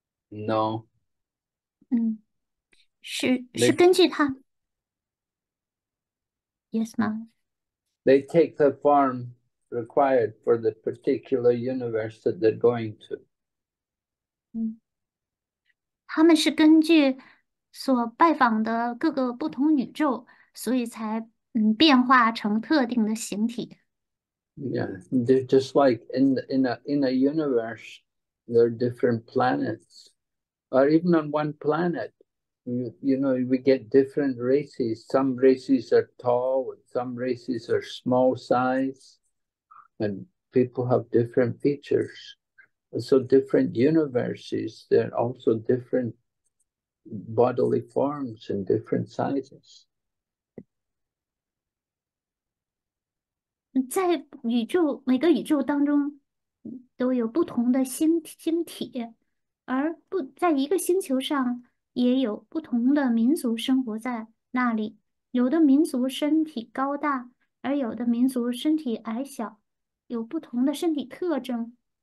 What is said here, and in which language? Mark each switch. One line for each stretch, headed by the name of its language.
English: No. Is 根据他。 Yes, ma'am. They take the form required for the particular universe that they're going to.
Chinese: 他们是根据所拜访的各个不同宇宙，所以才变化成特定的形体。
English: Yeah, they're just like in a universe, there are different planets, or even on one planet, we get different races. Some races are tall, some races are small size, and people have different features. So different universes, there are also different bodily forms and different sizes.
Chinese: 在宇宙，每个宇宙当中都有不同的星体，而不在一个星球上也有不同的民族生活在那里。有的民族身体高大，而有的民族身体矮小，有不同的身体特征。